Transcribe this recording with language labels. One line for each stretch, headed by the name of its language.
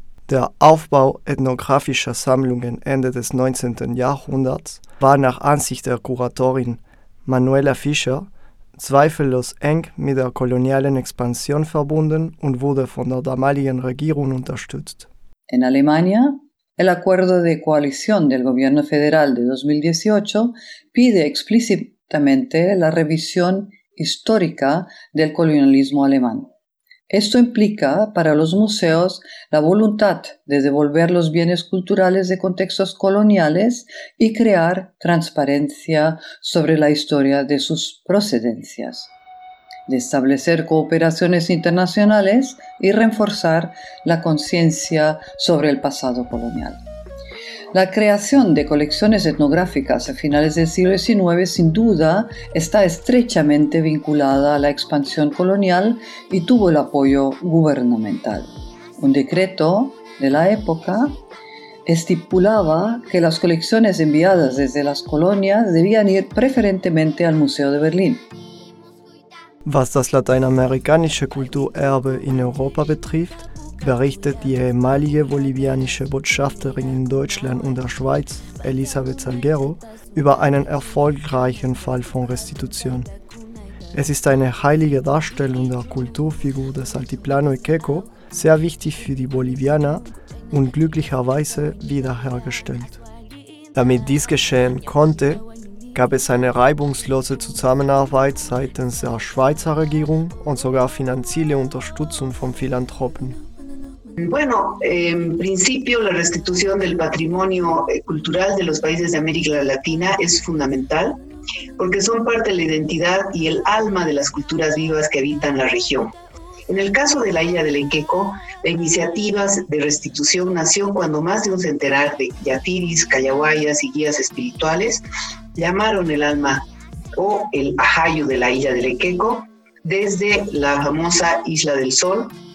German: Der Aufbau ethnografischer Sammlungen Ende des 19. Jahrhunderts war nach Ansicht der Kuratorin Manuela Fischer, zweifellos eng mit der kolonialen Expansion verbunden und wurde von der damaligen Regierung unterstützt.
Spanish: In Alemania, el acuerdo de coalición del gobierno federal de 2018 pide explícitamente la revisión histórica del colonialismo alemán. Esto implica para los museos la voluntad de devolver los bienes culturales de contextos coloniales y crear transparencia sobre la historia de sus procedencias, de establecer cooperaciones internacionales y reforzar la conciencia sobre el pasado colonial. La creación de colecciones etnográficas a finales del siglo XIX, sin duda, está estrechamente vinculada a la expansión colonial y tuvo el apoyo gubernamental. Un decreto de la época estipulaba que las colecciones enviadas desde las colonias debían ir preferentemente al Museo de Berlín.
German: Was das lateinamerikanische Kulturerbe in Europa betrifft, berichtet die ehemalige bolivianische Botschafterin in Deutschland und der Schweiz, Elisabeth Salguero, über einen erfolgreichen Fall von Restitution. Es ist eine heilige Darstellung der Kulturfigur des Altiplano Ekeko, sehr wichtig für die Bolivianer und glücklicherweise wiederhergestellt. Damit dies geschehen konnte, gab es eine reibungslose Zusammenarbeit seitens der Schweizer Regierung und sogar finanzielle Unterstützung von Philanthropen.
Spanish: Bueno, en principio la restitución del patrimonio cultural de los países de América Latina es fundamental porque son parte de la identidad y el alma de las culturas vivas que habitan la región. En el caso de la Isla del Ekeko, la iniciativa de restitución nació cuando más de un centenar de yatiris, callahuayas y guías espirituales llamaron el alma o el ajayo de la Isla del Ekeko desde la famosa Isla del Sol.